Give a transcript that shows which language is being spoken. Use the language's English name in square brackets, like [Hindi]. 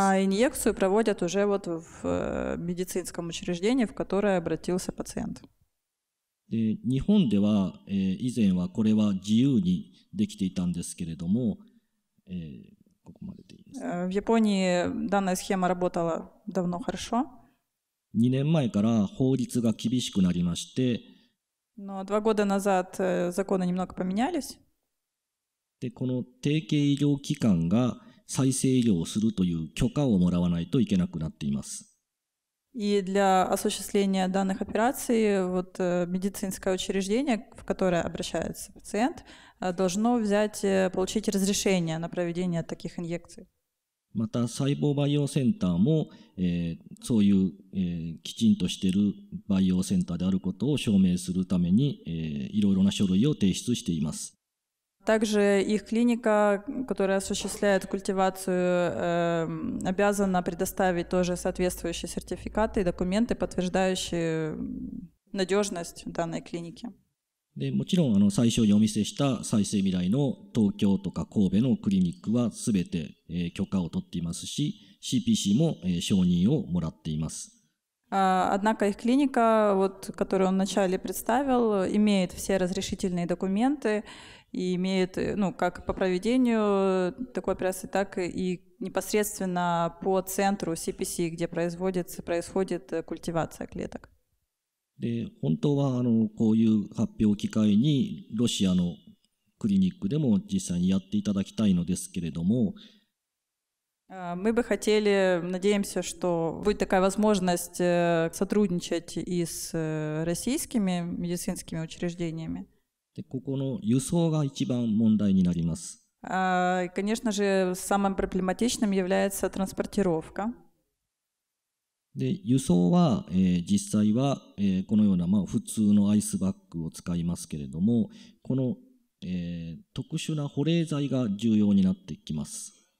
[Russian] А инъекцию проводят уже вот в медицинском учреждении, в которое обратился пациент. [Japanese] で、日本では、以前はこれは自由にできていたんですけれども、ここまででいいです。 [Russian] В Японии данная схема работала давно хорошо. [Japanese] 2年前から法律が厳しくなりまして。 [Russian] Но 2 года назад законы немного поменялись. [Japanese] で、この提携医療機関が再生医療をするという許可をもらわないといけなくなっています。 [Russian] И для осуществления данных операций вот медицинское учреждение, в которое обращается пациент, должно получить разрешение на проведение таких инъекций. [Japanese] また細胞培養センターも、そういう、きちんとしている培養センターであることを証明するために、いろいろな書類を提出しています。 [Russian] Также их клиника, которая осуществляет культивацию, обязана предоставить тоже соответствующие сертификаты и документы, подтверждающие надежность данной клиники. [Japanese] で、もちろん、最初にお見せした再生未来の東京とか神戸のクリニックは全て、許可を取っていますし、CPC も、承認をもらっています。 [Russian] Однако их клиника, вот, которую он вначале представил, имеет все разрешительные документы и имеет, ну, как по проведению такой операции, так и непосредственно по центру CPC, где происходит культивация клеток. [Japanese] で、本当は、こういう発表機会にロシアのクリニックでも実際にやっていただきたいのですけれども、 [Russian] Мы бы хотели, надеемся, что будет такая возможность сотрудничать и с российскими медицинскими учреждениями. [Japanese] で、ここの輸送が一番問題になります。 [Russian] Конечно же, самым проблематичным является транспортировка. [Japanese] で輸送は、実際は、このような、まあ、普通のアイスバッグを使いますけれども、この、特殊な保冷剤が重要になってきます。